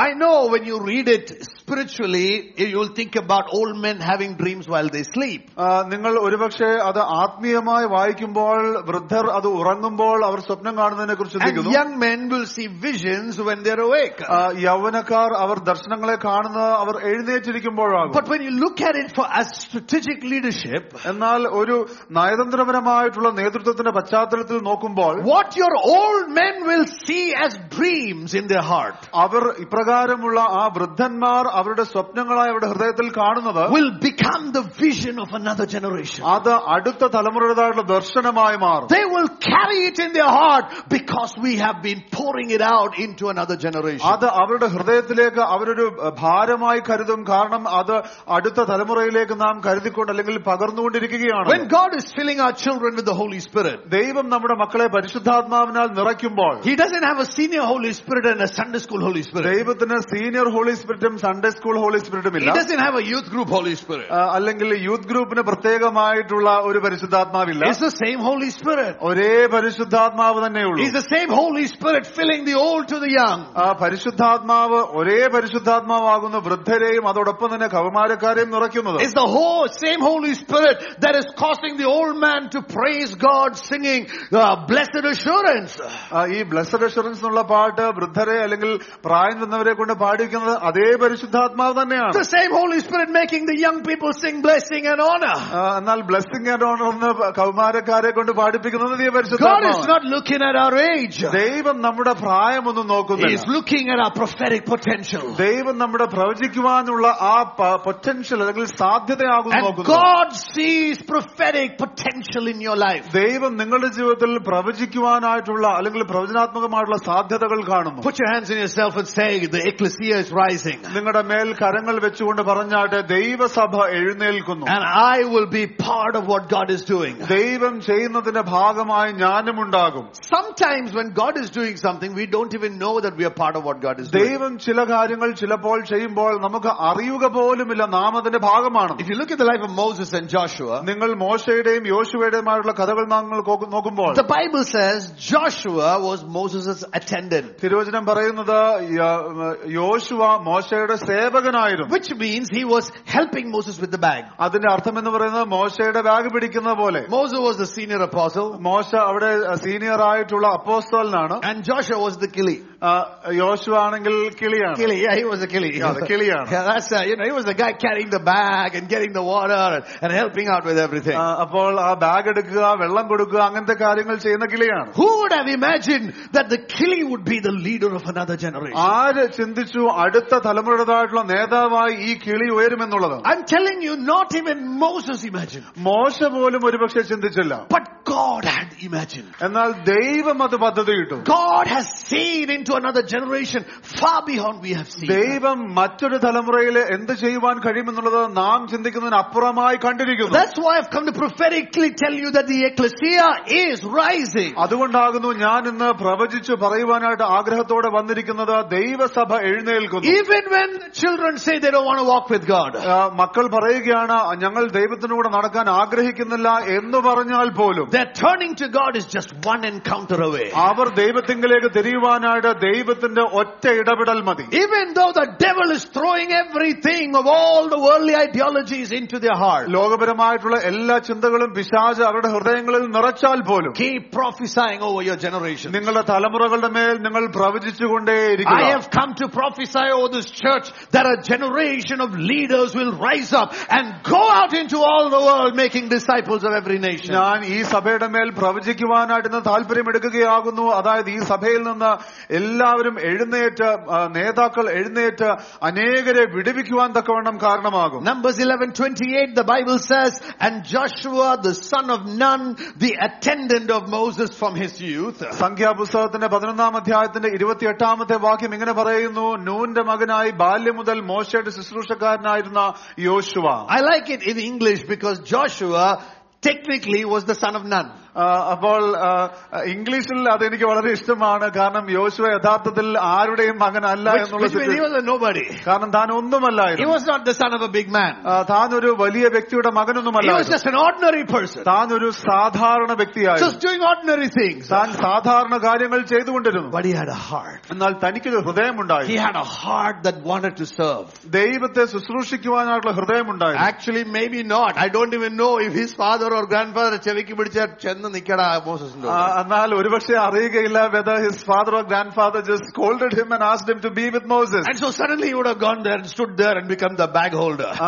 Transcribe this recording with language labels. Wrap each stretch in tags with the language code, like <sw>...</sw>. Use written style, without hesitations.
<en>I know when you read it spiritually, you will think about old men having dreams while they sleep.</en> <ml>നിങ്ങൾ ഒരുപക്ഷെ അത് ആത്മീയമായി വായിക്കുമ്പോൾ വൃദ്ധർ അത് ഉറങ്ങുമ്പോൾ അവർ സ്വപ്നം കാണുന്നതിനെ കുറിച്ച് ചിന്തിക്കുന്നു.</ml> <en>Young men will see visions when they are awake.</en> <ml>യൗവനക്കാർ അവർ ദർശനങ്ങളെ കാണുന്നത് അവർ എഴുന്നേറ്റിരിക്കുമ്പോഴാകും.</ml> <en>But when you look at it for as strategic leadership,</en> <ml>എന്നാൽ ഒരു നയതന്ത്രപരമായിട്ടുള്ള നേതൃത്വത്തിന്റെ പശ്ചാത്തലത്തിൽ നോക്കുമ്പോൾ,</ml> <en>what your old men will see as dreams in their heart,</en> <ml>അവർ ഇപ്രകാരമുള്ള ആ വൃദ്ധന്മാർ അവരുടെ സ്വപ്നങ്ങളായി അവരുടെ ഹൃദയത്തിൽ കാണുന്നത്</ml> <en>will become the vision of another generation.</en> <ml>അത് അടുത്ത തലമുറയുടേതായുള്ള ദർശനമായി മാറും.</ml> <en>They will carry it in their heart because we have been pouring it out into another generation.</en> <ml>അത് അവരുടെ ഹൃദയത്തിലേക്ക് അവരൊരു ഭാരമായി കരുതും. കാരണം അത് അടുത്ത തലമുറയിലേക്ക് നാം കരുതിക്കൊണ്ട് അല്ലെങ്കിൽ പകർന്നുകൊണ്ടിരിക്കുകയാണ്.</ml> <en>When God is filling our children with the Holy Spirit,</en> <ml>ദൈവം നമ്മുടെ മക്കളെ പരിശുദ്ധാത്മാവിനാൽ നിറയ്ക്കുമ്പോൾ,</ml> <en>he doesn't have a senior Holy Spirit and a Sunday school Holy Spirit.</en> <ml>ദൈവത്തിന് senior holy സ്പിരിറ്റും Sunday school holy സ്പിരിറ്റും ഇല്ല.</ml> <en>He doesn't have a youth group Holy Spirit.</en> <ml>അല്ലെങ്കിൽ youth ഗ്രൂപ്പിന് പ്രത്യേകമായിട്ടുള്ള ഒരു പരിശുദ്ധാത്മാവില്ല.</ml> <en>It's the same Holy Spirit.</en> <ml>ഒരേ പരിശുദ്ധാത്മാവ് തന്നെയുള്ളൂ.</ml> <en>It's the same Holy Spirit filling the old to the young.</en> <ml>പരിശുദ്ധാത്മാവ് ഒരേ പരിശുദ്ധാത്മാവാകുന്നു വൃദ്ധരെയും അതോടൊപ്പം തന്നെ കൗമാരക്കാരെയും നിറയ്ക്കുന്നത്.</ml> <en>It's the same Holy Spirit that is causing the old man to praise God singing blessed assurance.</en> <ml>ഈ</ml> <en>blessed assurance</en> <ml>ഉള്ള പാട്ട് വൃദ്ധരെ അല്ലെങ്കിൽ പ്രായം ചെന്നവരെ കൊണ്ട് പാടിക്കുന്നത് അതേ പരിശുദ്ധാത്മാവ് തന്നെയാണ്.</ml> <en>The same Holy Spirit making the young people sing blessing and honor.</en> <ml>എന്നാൽ</ml> <en>blessing and honor</en> <ml>എന്ന് കൗമാരക്കാരെ കൊണ്ട് പാടിപ്പിക്കുന്നത് അതേ പരിശുദ്ധാത്മാവാണ്.</ml> <en>God is not looking at our age.</en> <ml>ദൈവം നമ്മുടെ പ്രായം ഒന്നും നോക്കുന്നില്ല.</ml> <en>He is looking at our prophetic potential.</en> <ml>ദൈവം നമ്മുടെ പ്രവചിക്കുവാനുള്ള ആ പൊട്ടൻഷ്യൽ അല്ലെങ്കിൽ സാധ്യതയാകുന്നു നോക്കുന്നു.</ml> <en>God sees prophetic potential in your life.</en> <ml>ദൈവം നിങ്ങളുടെ ജീവിതത്തിൽ പ്രവചിക്കുവാനായിട്ടുള്ള അല്ലെങ്കിൽ പ്രവചനാത്മകമായിട്ടുള്ള സാധ്യതകൾ കാണുന്നു.</ml> <en>Put your hands in yourself and say, the ecclesia is rising.</en> <ml>നിങ്ങളുടെ മേൽ കരങ്ങൾ വെച്ചുകൊണ്ട് പറഞ്ഞാട്ട് ദൈവസഭ എഴുന്നേൽക്കുന്നു.</ml> <en>And I will be part of what God is doing.</en> <ml>ദൈവം ചെയ്യുന്നതിന്റെ ഭാഗമായി ഞാനും ഉണ്ടാകും.</ml> <en>Sometimes when God is doing something, we don't even know that we are part of what God is doing.</en> <ml>ദൈവം ചില കാര്യങ്ങൾ ചിലപ്പോൾ ചെയ്യുമ്പോൾ നമുക്ക് അറിയുക പോലുമില്ല നാം അതിന്റെ ഭാഗമാണ്.</ml> <en>If you look at the life of Moses and Joshua,</en> <ml>നിങ്ങൾ മോശയുടെയും യോശുവയുടെയുമായുള്ള കഥകൾ നിങ്ങൾ നോക്കുമ്പോൾ,</ml> <en>the Bible says Joshua was Moses's attendant.</en> <ml>തിരുവചനം പറയുന്നത് യോശുവ മോശയുടെ സേവകനായിരുന്നു.</ml> <en>Which means he was helping Moses with the bag.</en> <ml>അതിന്റെ അർത്ഥം എന്ന് പറയുന്നത് മോശയുടെ ബാഗ് പിടിക്കുന്ന പോലെ.</ml> <en>Moses was the senior apostle.</en> <ml>മോശ അവിടെ സീനിയർ ആയിട്ടുള്ള അപ്പോസ്തലനാണ്.</ml> <en>And Joshua was the കിളി.</en> <ml>യോശുവ ആണെങ്കിൽ കിളിയാണ്.</ml> <en>കിളി, yeah, he was a കിളി.</en> <ml>കിളിയാണ്.</ml> <en>That's you know, he was the guy carrying the bag and getting the water and helping out with everything.</en> <ml>അപ്പോൾ ആ ബാഗ് എടുക്കുക, വെള്ളം കൊടുക്കുക, അങ്ങനത്തെ കാര്യങ്ങൾ ചെയ്യുന്ന കിളിയാണ്.</ml> <en>Who would have imagined that the killi would be the leader of another generation?</en> <ml>ആര് ചിന്തിച്ചു അടുത്ത തലമുറയുടേതായിട്ടുള്ള നേതാവായി ഈ കിളി ഉയരുമെന്നുള്ളത്?</ml> <en>I'm telling you, not even Moses imagined.</en> <ml>മോശ പോലും ഒരുപക്ഷെ ചിന്തിച്ചില്ല.</ml> <en>But God had imagined.</en> <ml>എന്നാൽ ദൈവം അത് പദ്ധതിയിട്ടു.</ml> <en>God has seen into another generation far beyond we have seen.</en> <ml>ദൈവം മറ്റൊരു തലമുറയിൽ എന്ത് ചെയ്യുവാൻ കഴിയുമെന്നുള്ളത് നാം ചിന്തിക്കുന്നതിന് അപ്പുറമായി കണ്ടിരിക്കുന്നു.</ml> <en>That's why I've come to prophetically tell you that the ecclesia is rising.</en> <ml>അതുകൊണ്ടാകുന്നു ഞാൻ ഇന്ന് പ്രവചിച്ചു പറയുവാനായിട്ട് ആഗ്രഹത്തോടെ വന്നിരിക്കുന്നത്. ദൈവസഭ എഴുന്നേൽക്കുന്നു.</ml> <en>Even when children say they don't want to walk with God.</en> <ml>മക്കൾ പറയുകയാണ് ഞങ്ങൾ ദൈവത്തിനോട് നടക്കാൻ ആഗ്രഹിക്കുന്നില്ല എന്ന് പറഞ്ഞാൽ പോലും,</ml> <en>they're turning to God is just one encounter away.</en> <ml>അവർ ദൈവത്തിങ്കിലേക്ക് തിരിയുവാനായിട്ട് ദൈവത്തിന്റെ ഒറ്റ ഇടപെടൽ മതി.</ml> <en>ഇവൻ though the devil is throwing everything of all the worldly ideologies into their heart.</en> <ml>ലോകപരമായിട്ടുള്ള എല്ലാ ചിന്തകളും പിശാച് അവരുടെ ഹൃദയങ്ങളിൽ നിറച്ചാൽ പോലും.</ml> <en>Keep prophesying over your generation.</en> <ml>നിങ്ങളുടെ തലമുറകളുടെ മേൽ നിങ്ങൾ പ്രവചിച്ചുകൊണ്ടേയിരിക്കും.</ml> <en>I have come to prophesy over this church that a generation of leaders will rise up and go out into all the world making disciples of every nation.</en> <ml>ഞാൻ ഈ സഭയുടെ മേൽ പ്രവചിക്കുവാനായിട്ട് താല്പര്യം എടുക്കുകയാകുന്നു. അതായത് ഈ സഭയിൽ നിന്ന് എല്ലാവരും എഴുന്നേറ്റ് നേതാക്കൾ എഴുന്നേറ്റ് അനേകരെ വിടുവിക്കുവാൻ തക്കവണ്ണം കാരണമാകും.</ml> <en>Numbers 11:28 the Bible says and Joshua the son of Nun the attendant of Moses from his youth.</en> <ml>സംഖ്യാപുസ്തകത്തിന്റെ 11ാം അധ്യായത്തിന്റെ 28ാമത്തെ വാക്യം ഇങ്ങനെ പറയുന്നു, നൂന്റെ മകനായി ബാല്യം മുതൽ മോശയുടെ ശുശ്രൂഷക്കാരനായിരുന്ന യോശുവ.</ml> <en>I like it in English because Joshua technically was the son of Nun.</en> <ml>അപ്പോൾ ഇംഗ്ലീഷിൽ അതെനിക്ക് വളരെ ഇഷ്ടമാണ്, കാരണം യോശുവ യഥാർത്ഥത്തിൽ ആരുടെയും മകനല്ല എന്നുള്ളത്. കാരണം താൻ ഒന്നുമല്ലായിരുന്നു.</ml> <en>He was not the son of a big man.</en> <ml>താൻ ഒരു വലിയ വ്യക്തിയുടെ മകനൊന്നുമല്ല.</ml> <en>He was just an ordinary person.</en> <ml>താൻ ഒരു സാധാരണ വ്യക്തിയായിരുന്നു.</ml> <en>Just doing ordinary things.</en> <ml>താൻ സാധാരണ കാര്യങ്ങൾ ചെയ്തുകൊണ്ടിരുന്നു.</ml> <en>But he had a heart.</en> <ml>എന്നാൽ തനിക്കൊരു ഹൃദയമുണ്ടായിരുന്നു.</ml> <en>He had a heart that wanted to serve.</en> <ml>ദൈവത്തെ ശുശ്രൂഷിക്കുവാനായിട്ടുള്ള ഹൃദയമുണ്ടായിരുന്നു.</ml> <en>Actually maybe not. I don't even know if his father or grandfather</en> <ml>ചെവിക്ക് പിടിച്ച ചെന്ന് നിൽക്കടാ മോസസ്. എന്നാൽ ഒരുപക്ഷെ അറിയുകയില്ല</ml> <en>Whether his father or grandfather just scolded him and asked him to be with Moses. And so suddenly he would have gone there and stood there and become the bag holder.</en>